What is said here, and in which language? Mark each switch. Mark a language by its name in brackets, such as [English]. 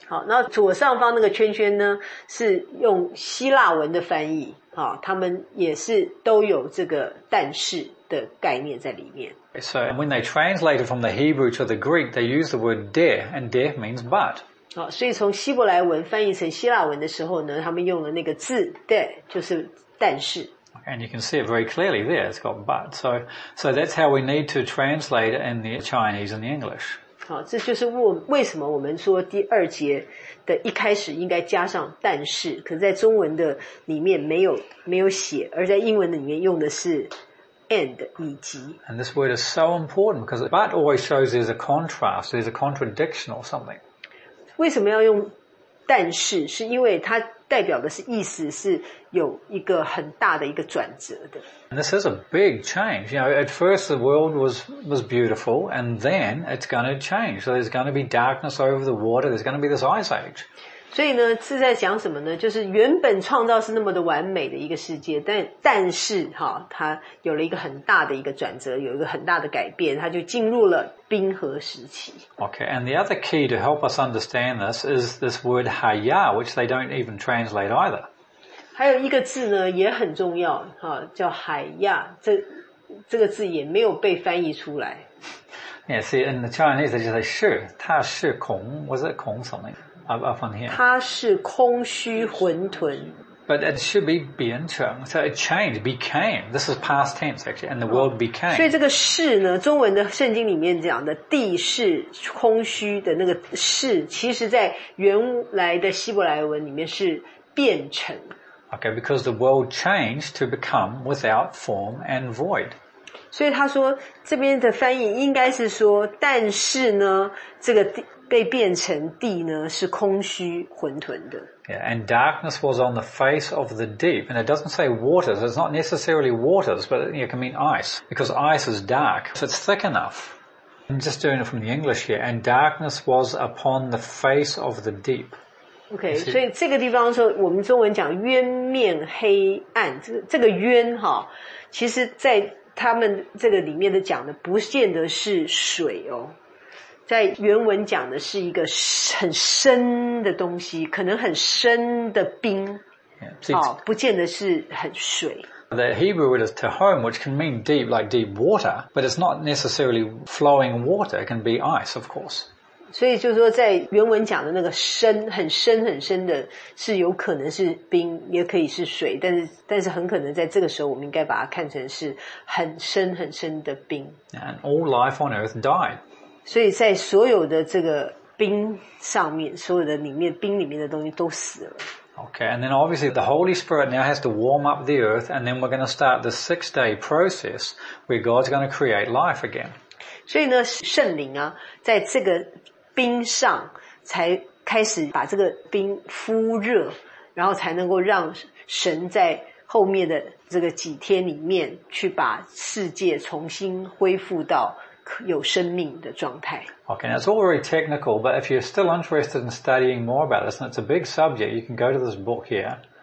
[Chinese] 好，那左上方那个圈圈呢，是用希腊文的翻译。好，他们也是都有这个但是的概念在里面。 [English] So, when they translate it from the Hebrew to the Greek, they use the word de, and de means but. [Chinese] 好，所以从希伯来文翻译成希腊文的时候呢，他们用了那个字 de， 就是但是。 [English] And you can see it very clearly there. It's got but. So that's how we need to translate it in the Chinese and the English. [Chinese] 好，这就是为什么我们说第二节的一开始应该加上但是，可在中文的里面没有写，而在英文的里面用的是 and 以及。 [English] And this word is so important because but always shows there's a contrast, there's a contradiction or something. [Chinese] 为什么要用但是，是因为它代表的是意思是有一个很大的一个转折的。 [English] And this is a big change. You know, at first the world was beautiful, and then it's going to change. So there's going to be darkness over the water. There's going to be this ice age. [Chinese] 所以呢，是在讲什么呢？就是原本创造是那么的完美的一个世界，但是哈，它有了一个很大的一个转折，有一个很大的改变，它就进入了冰河时期。 [English] Okay, and the other key to help us understand this is this word hayah, which they don't even translate either. [Chinese] 还有一个字呢，也很重要，哈，叫hayah，这个字也没有被翻译出来。 [English] Yeah, see, in the Chinese, they just say 是，它是空 ，was it 空 something？ Up on here. [Chinese] 它是空虚混沌。 [English] But it should be 变成 So it changed, became. This is past tense actually, and the world became. [Chinese] 所以这个是呢，中文的圣经里面讲的地是空虚的那个是，其实在原来的希伯来文里面是变成。 [English] Okay, because the world changed to become without form and void. [Chinese] 所以他说这边的翻译应该是说，但是呢，这个地。被变成地呢，是空虚混沌的。 [English] Yeah, and darkness was on the face of the deep, and it doesn't say waters. It's not necessarily waters, but it can mean ice because ice is dark, so it's thick enough. I'm just doing it from the English here. And darkness was upon the face of the deep. [Chinese] Okay, 所以这个地方说，我们中文讲渊面黑暗，这个渊哈，其实在他们这个里面的讲的，不见得是水哦。在原文讲的是一个很深的东西，可能很深的冰，不见得是很水。 [English] The Hebrew word is tehom, which can mean deep, like deep water, but it's not necessarily flowing water. It can be ice, of course. [Chinese] 所以就是说，在原文讲的那个深、很深、很深的，是有可能是冰，也可以是水，但是很可能在这个时候，我们应该把它看成是很深、很深的冰。 [English] And all life on earth died. [Chinese] 所以在所有的这个冰上面，所有的里面冰里面的东西都死了。 [English] Okay, and then obviously the Holy Spirit now has to warm up the earth, and then we're going to start the six-day process where God's going to create life again. [Chinese] 所以呢，圣灵啊，在这个冰上才开始把这个冰敷热，然后才能够让神在后面的这个几天里面去把世界重新恢复到有生命的状态。 [English] Okay, now it's all very technical, but if you're still interested in studying more about this, and it's a big subject, you can go to this book here.